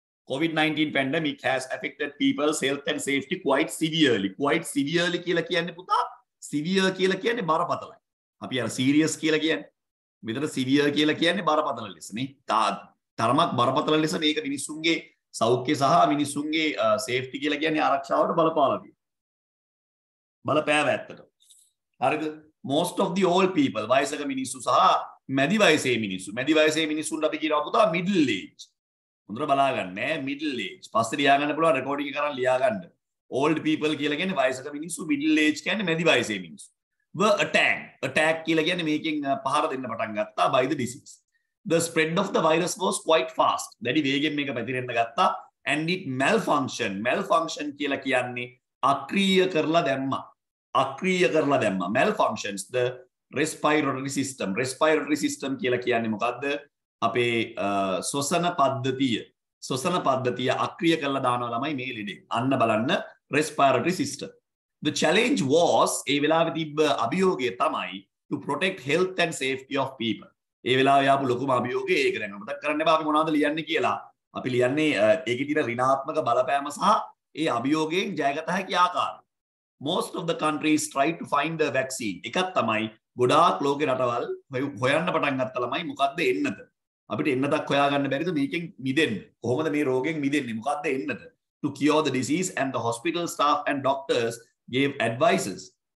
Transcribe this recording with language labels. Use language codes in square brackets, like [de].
[en] COVID 19 pandemic has affected people's health and safety quite severely. Quite severely [si] කියලා කියන්නේ පුතා, severe කියලා කියන්නේ බරපතලයි. අපි අර serious කියලා කියන්නේ. මෙතන severe කියලා කියන්නේ බරපතල ලෙස නේ. තරමක් බරපතල ලෙස මේක මිනිස්සුන්ගේ සෞඛ්‍ය සහ මිනිසුන්ගේ සේෆ්ටි කියලා කියන්නේ ආරක්ෂාවට බලපාලාතියි. බලපෑව ඇත්තට. හරිද? [en] Most of the old people [si] වයසක මිනිස්සු සහ මැදි වයසේ මිනිස්සු. මැදි වයසේ මිනිස්සුන්ට අපි කියනවා පුතා middle age. හොඳට බලාගන්න ඈ middle age. පස්සේ ලියාගන්න පුළුවන් රෙකෝඩින් එක කරන් ලියාගන්න. [en] Old people [si] කියලා කියන්නේ වයසක මිනිස්සු middle age කියන්නේ මැදි වයසේ මිනිස්සු. [en] Were attacked. [si] Attack කියලා කියන්නේ මේකෙන් පහර දෙන්න පටන් ගත්තා [en] by the disease. The spread of the virus was quite fast. [si] දැඩි වේගෙන් මේක පැතිරෙන්න ගත්තා [en] and it malfunctioned. [si] Malfunction කියලා කියන්නේ අක්‍රීය කරලා දැම්මා. අක්‍රීය කරලා දැම්මා. [en] Malfunctions the respiratory system. [si] Respiratory system කියලා කියන්නේ මොකද්ද? අපේ ශ්වසන පද්ධතිය. ශ්වසන පද්ධතිය අක්‍රීය කරලා දානවා ළමයි මේ ලෙඩේ. අන්න බලන්න respiratory system. [en] The challenge was [si] ඒ වෙලාවේ තිබ්බ අභියෝගය තමයි [en] to protect health and safety of people. [si] ඒ වෙලාවේ ආපු ලොකුම අභියෝගය ඒක දැන් අපිට කරන්න බෑ අපි මොනවද ලියන්නේ කියලා. අපි ලියන්නේ ඒකේ තියෙන ඍණාත්මක බලපෑම සහ ඒ අභියෝගයෙන් ජයගත හැකි ආකාරය. [en] Most of the countries tried to find the vaccine. [si] එකක් තමයි ගොඩාක් ලෝකේ රටවල් හොයන්න පටන් ගත්ත ළමයි මොකද්ද එන්නද? අපිට එන්නදක් හොයාගන්න බැරිද මේකෙන් මිදෙන්න? කොහොමද මේ රෝගෙන් මිදෙන්නේ? මොකද්ද එන්නද? [en] To cure the disease and the hospital staff and doctors gave advices.